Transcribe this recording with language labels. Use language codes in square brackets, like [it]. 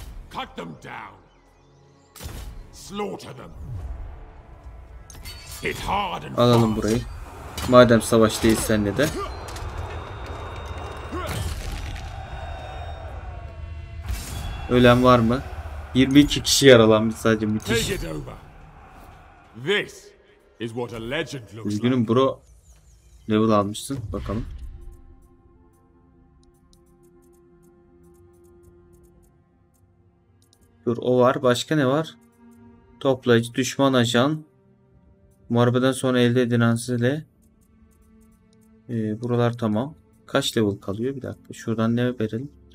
[en] Cut them down. Slaughter them. [tr] Alalım burayı. Madem savaş değil senle de. Ölen var mı? 22 kişi yaralanmış sadece müthiş. [en] This is what a legend looks like. [tr] Üzgünüm bro. Level almışsın bakalım. Dur o var. Başka ne var? Toplayıcı düşman ajan. Muharebeden sonra elde edilen sizle buralar tamam. Kaç level kalıyor? Bir dakika. Şuradan ne verelim?